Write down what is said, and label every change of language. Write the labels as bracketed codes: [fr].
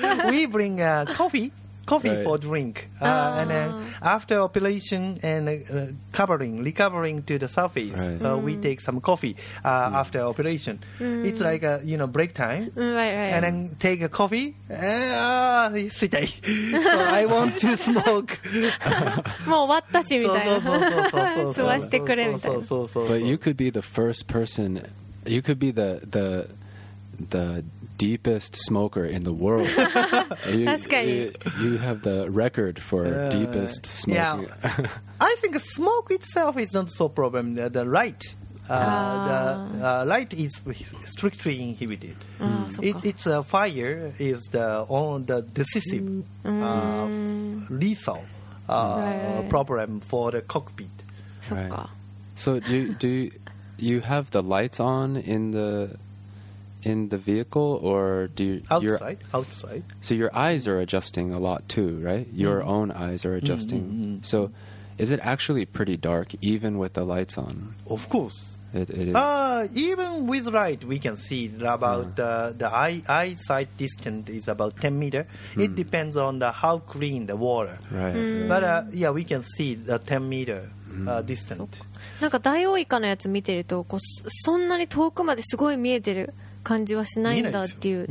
[en] We bring coffee、right. for drink and then after operation and recovering to the surface、 right. We take some coffee after operation、 mm. it's like a, you know break time、 mm, right. and then take a coffee sweetie so I want to smoke [ja] もう終わったしみたいな。そうそうそうそう吸わしてくれみたいな。 [en] But you could be the first person, you could be the deepest smoker in the world. you have the record for deepest smoking. Yeah, I think smoke itself is not so problem. The light, light is strictly inhibited. It's a fire is the on the decisive lethal problem for the cockpit. Right. So do you have the lights on in the vehicle or do you outside so your eyes are adjusting a lot too right your mm-hmm. own eyes are adjusting mm-hmm. so is it actually pretty dark even with the lights on? Of course it is. Even with light we can see about the eyesight distance is about 10 meters mm. it depends on the how clean the water right, mm. right. but yeah we can see the 10 meters distant。 [ja] なんかダイオウイカのやつ見てるとこうそんなに遠くまですごい見えてる感じはしないんだっていう。